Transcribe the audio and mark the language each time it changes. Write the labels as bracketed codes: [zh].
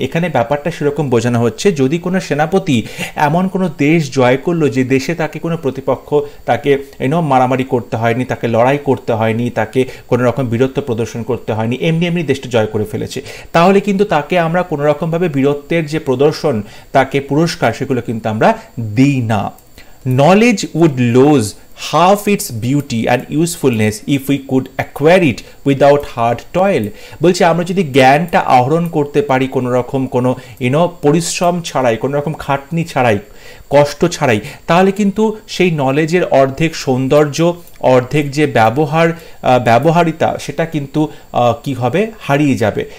[bn] এখানে ব্যাপারটা সেরকম বোঝানো হচ্ছে, যদি কোনো সেনাপতি এমন কোনো দেশ জয় করলো যে দেশে তাকে কোনো প্রতিপক্ষ তাকে এনো মারামারি করতে হয়নি, তাকে লড়াই করতে হয়নি, তাকে কোনো রকম বীরত্ব প্রদর্শন করতে হয়নি, এমনি এমনি দেশটা জয় করে ফেলেছে, তাহলে কিন্তু তাকে আমরা কোনো রকমভাবে বীরত্বের যে প্রদর্শন, তাকে পুরস্কার, সেগুলো কিন্তু আমরা দিই না। [en] Knowledge would lose half its beauty and usefulness if we could acquire it without hard toil. [bn] বলছে আমরা যদি জ্ঞানটা আহরণ করতে পারি কোনো রকম কোনো ইউনো পরিশ্রম ছাড়াই, কোনো রকম খাটনি ছাড়াই, কষ্ট ছাড়াই, তাহলে কিন্তু সেই নলেজের অর্ধেক সৌন্দর্য, অর্ধেক যে ব্যবহার ব্যবহারিতা, সেটা কিন্তু কী হবে, হারিয়ে যাবে।